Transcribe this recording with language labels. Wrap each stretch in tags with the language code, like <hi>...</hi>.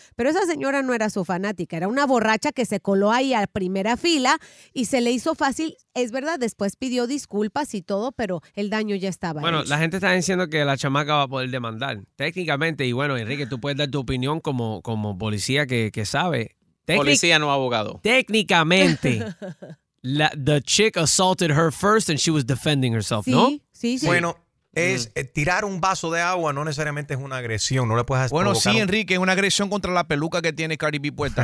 <es>Pero esa señora no era su fanática, era una borracha que se coló ahí a primera fila y se le hizo fácil. Es verdad, después pidió disculpas y todo, pero el daño ya estaba bueno, hecho. Bueno, la gente está diciendo que la chamaca va a poder demandar. Técnicamente, y bueno, Enrique, tú puedes dar tu opinión como policía que sabe. Policía no abogado.</es> <en>Técnicamente, the chick assaulted her first and she was defending herself,</en> <es>sí, ¿no? Sí, sí. Bueno, es tirar un vaso de agua, no necesariamente es una agresión, no le puedes bueno, sí, Enrique, es una agresión contra la peluca que tiene Cardi B puesta.</es>